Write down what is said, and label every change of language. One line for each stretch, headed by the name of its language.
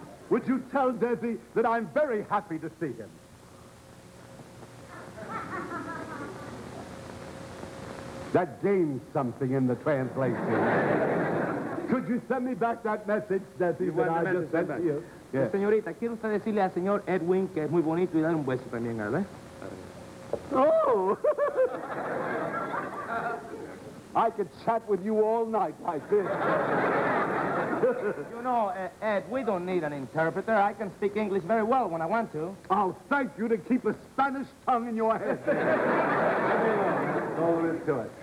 English: Would you tell Desi that I'm very happy to see him? That gained something in the translation. Could you send me back that message, Desi, you that I just sent back to you? Yes.
Spanish: Señorita, ¿quiere usted decirle al señor Edwin que es muy bonito y dar un beso también, ¿verdad?
English: Oh! I could chat with you all night like this. You know, Ed, we don't need an interpreter. I can speak English very well when I want to. I'll thank you to keep a Spanish tongue in your head. All there is to it.